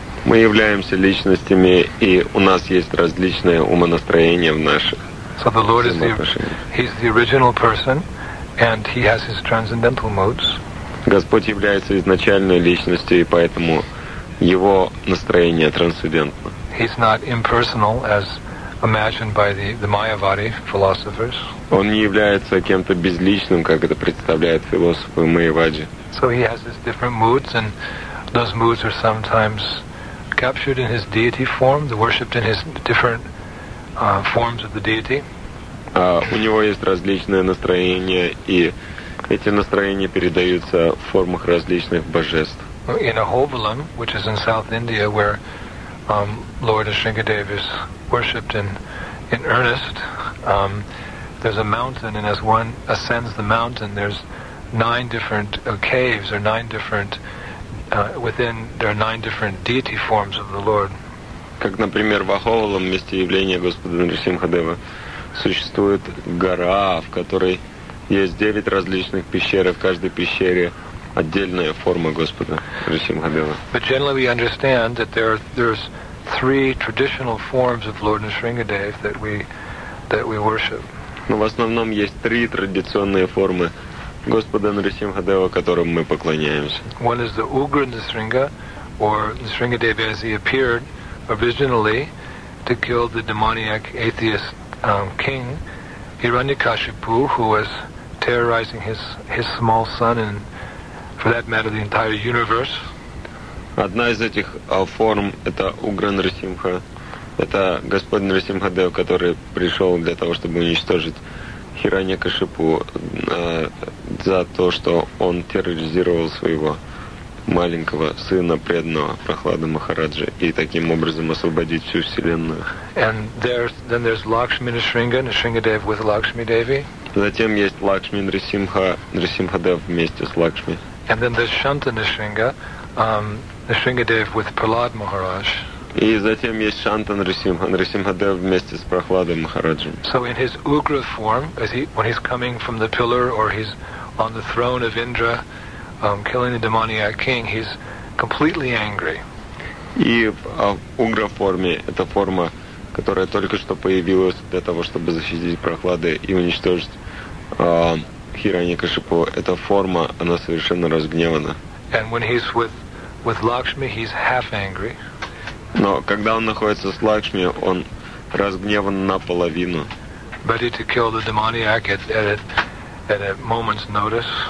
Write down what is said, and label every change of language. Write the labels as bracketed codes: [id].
[ru] Мы являемся личностями, и у нас есть различные умонастроения в наших взаимоотношениях. Господь является изначальной личностью, и поэтому его настроение трансцендентно. [en] He's not impersonal, as imagined by the Mayavadi philosophers. [ru] Он не является кем-то безличным, как это представляют философы Майявади. [en] So he has his different moods, and those moods are sometimes captured in his deity form, worshipped in his different forms of the deity. [ru] У него есть различные настроения, и эти настроения передаются в формах различных божеств. [en] In Ahovalam, which is in South India, where Lord Ashringadev is worshipped in earnest, there's a mountain, and as one ascends the mountain, there's nine different caves, or nine different, within, there are nine different deity forms of the Lord. [ru] Как, например, в Аховолам, месте явления Господа Нарсимхадева, существует гора, в которой есть девять различных пещер, и в каждой пещере отдельная форма Господа Нарсимхадева. [en] But generally we understand that there's three traditional forms of Lord Nrisimhadev that we worship. [ru] Но в основном есть три традиционные формы Господа Нрисимхадева, которым мы поклоняемся. [en] One is the Ugra Nrisimha, or Nrisimhadev as he appeared originally to kill the demoniac atheist king Hiranyakashipu, who was terrorizing his small son and, for that matter, the entire universe. [ru] Одна из этих форм — это Угра Нрисимха. Это Господь Нрисимхадев, который пришел для того, чтобы уничтожить Хираньякашипу за то, что он терроризировал своего маленького сына преданного Прохлады Махараджи и таким образом освободить всю Вселенную. [en] And then there's Lakshmi Nrisimha, Nrisimhadev with Lakshmi Devi. [ru] Затем есть Лакшми Нрисимха, Нрисимхадев вместе с Лакшми. [en] And then there's Shanta Nrisimha, Nrisimhadev with Prahlad Maharaj. [ru] И затем есть Шанта Нрисимха, Нрисимхадев вместе с Прохладой Махараджем. [en] So in his Ugra form, as he when he's coming from the pillar or he's on the throne of Indra, killing the demoniac king, he's completely angry. [ru] И в Ugra форме, это форма, которая только что появилась для того, чтобы защитить Прохлады и уничтожить Хираньякашипу, эта форма, она совершенно разгневана. [en] And when he's with Lakshmi, he's half angry. [ru] Но когда он находится с Лакшми, он разгневан наполовину. [en] Ready to kill the demoniac at a moment's notice.